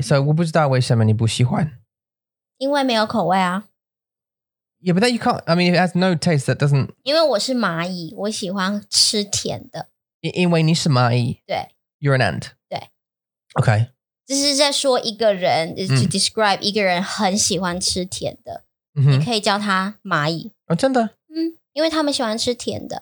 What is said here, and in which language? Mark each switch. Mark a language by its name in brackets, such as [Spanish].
[Chinese] So 我不知道为什么你不喜欢。因为没有口味啊。 [English] Yeah, but that you can't, I mean, if it has no taste, that doesn't... [Chinese] 因为我是蚂蚁,我喜欢吃甜的。因为你是蚂蚁。对。 [English] You're an ant. [Chinese] 对。 [English] Okay. [Chinese] 这是在说一个人, [English] is to describe [Chinese] 一个人很喜欢吃甜的。你可以叫他蚂蚁。哦,真的? 因为他们喜欢吃甜的。